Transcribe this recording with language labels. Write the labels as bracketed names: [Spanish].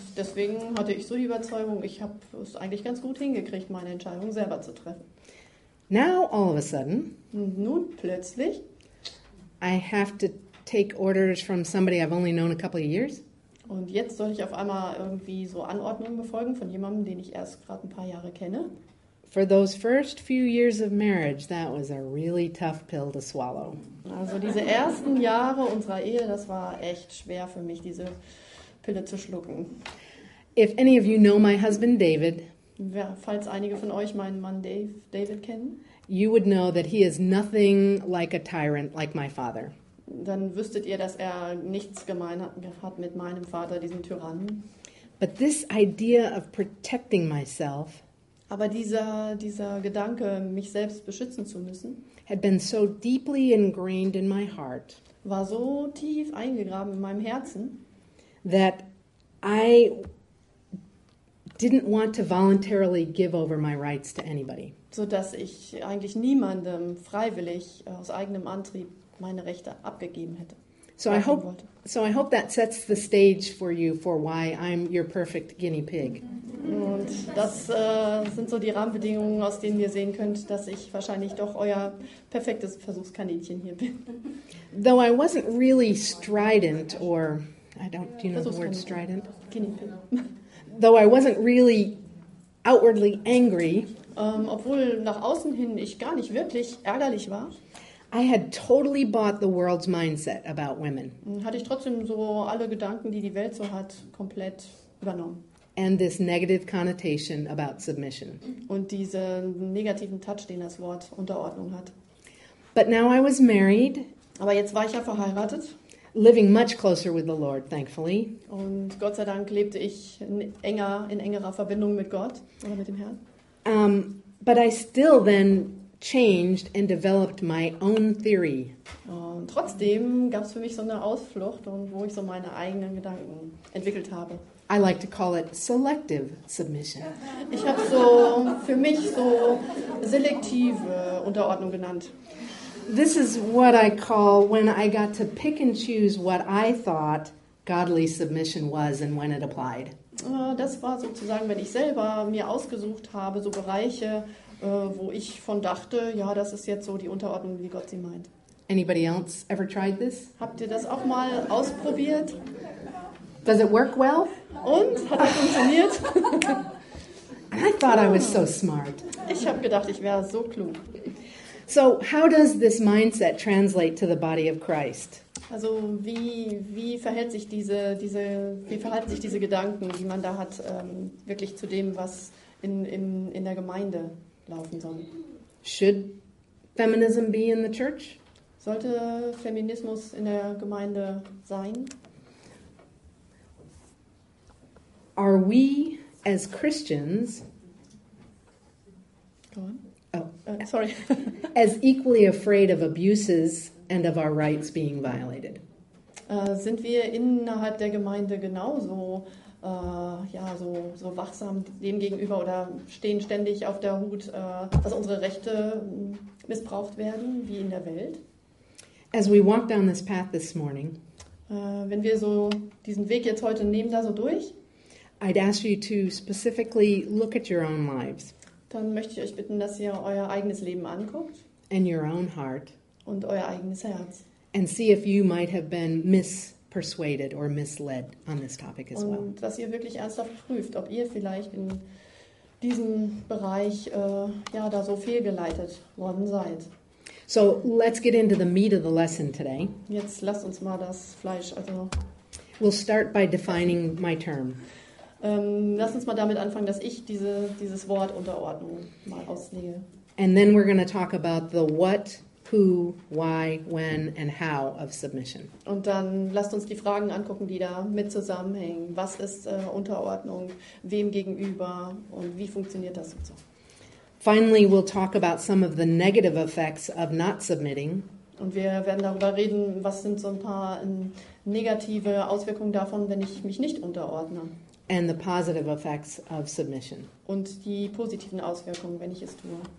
[German] Deswegen hatte ich so die Überzeugung, ich habe es eigentlich ganz gut hingekriegt, meine Entscheidung selber zu treffen. [English] Now all of a sudden, [German] nun plötzlich, [English] I have to take orders from somebody I've only known a couple of years. [German] Und jetzt soll ich auf einmal irgendwie so Anordnungen befolgen von jemandem, den ich erst gerade ein paar Jahre kenne. [English] For those first few years of marriage, that was a really tough pill to swallow. [German] Also diese ersten Jahre unserer Ehe, das war echt schwer für mich, diese Pille zu schlucken. [English] If any of you know my husband David, [German] ja, falls einige von euch meinen Mann David kennen, [English] you would know that he is nothing like a tyrant like my father. [German] Dann wüsstet ihr, dass er nichts gemein hat mit meinem Vater, diesem Tyrannen. [English] But this idea of protecting myself, [German] aber dieser Gedanke, mich selbst beschützen zu müssen, [English] had been so deeply ingrained in my heart, [German] war so tief eingegraben in meinem Herzen, [English] that I didn't want to voluntarily give over my rights to anybody. [German] So dass ich eigentlich niemandem freiwillig aus eigenem Antrieb meine Rechte abgegeben hätte. [English] So I hope that sets the stage for you for why I'm your perfect guinea pig. [German] Und das sind so die Rahmenbedingungen, aus denen ihr sehen könnt, dass ich wahrscheinlich doch euer perfektes Versuchskaninchen hier bin. [English] Though I wasn't really strident or I don't do you know the word strident? Guinea pig. Though I wasn't really outwardly angry, [German] obwohl nach außen hin ich gar nicht wirklich ärgerlich war, [English] I had totally bought the world's mindset about women. [German] Hatte ich trotzdem so alle Gedanken, die Welt so hat, komplett übernommen. [English] And this negative connotation about submission. [German] Und diesen negativen Touch, den das Wort Unterordnung hat. [English] But now I was married. [German] Aber jetzt war ich ja verheiratet. [English] Living much closer with the Lord, thankfully. [German] Und Gott sei Dank lebte ich in engerer Verbindung mit Gott oder mit dem Herrn. [English] But I still then changed and developed my own theory. [German] Und trotzdem gab es für mich so eine Ausflucht und wo ich so meine eigenen Gedanken entwickelt habe. [English] I like to call it selective submission. [German] Ich habe so für mich so selektive Unterordnung genannt. [English] This is what I call when I got to pick and choose what I thought godly submission was and when it applied. [German] Das war sozusagen, wenn ich selber mir ausgesucht habe, so Bereiche, wo ich von dachte, ja, das ist jetzt so die Unterordnung, wie Gott sie meint. [English] Anybody else ever tried this? [German] Habt ihr das auch mal ausprobiert? [English] Does it work well? [German] Und, hat das funktioniert? [English] I thought I was so smart. [German] Ich habe gedacht, ich wäre so klug. [English] So, how does this mindset translate to the body of Christ? [German] Also, wie verhalten sich diese Gedanken, die man da hat, wirklich zu dem, was in der Gemeinde laufen soll? [English] Should feminism be in the church? [German] Sollte Feminismus in der Gemeinde sein? [English] Are we as Christians? Go on. Sorry. As equally afraid of abuses and of our rights being violated. [German] Sind wir innerhalb der Gemeinde genauso so wachsam dem gegenüber oder stehen ständig auf der Hut, dass unsere Rechte missbraucht werden, wie in der Welt? [English] As we walk down this path this morning, [German] wenn wir so diesen Weg jetzt heute nehmen, da so durch, [English] I'd ask you to specifically look at your own lives. [German] Dann möchte ich euch bitten, dass ihr euer eigenes Leben anguckt. [English] And your own heart. [German] Und euer eigenes Herz. [English] And see if you might have been mispersuaded or misled on this topic as [German] und [English] well. [German] Und dass ihr wirklich ernsthaft prüft, ob ihr vielleicht in diesem Bereich ja, da so fehlgeleitet worden seid. [English] So let's get into the meat of the lesson today. [German] Jetzt lasst uns mal das Fleisch, also [English] we'll start by defining my term. [German] Lass uns mal damit anfangen, dass ich dieses Wort Unterordnung mal auslege. [English] And then we're going to talk about the what, who, why, when and how of submission. [German] Und dann lasst uns die Fragen angucken, die da mit zusammenhängen. Was ist Unterordnung, wem gegenüber und wie funktioniert das und so. [English] Finally, we'll talk about some of the negative effects of not submitting. [German] Und wir werden darüber reden, was sind so ein paar negative Auswirkungen davon, wenn ich mich nicht unterordne. [English] And the positive effects of submission. [German] Und die positiven Auswirkungen, wenn ich es tue.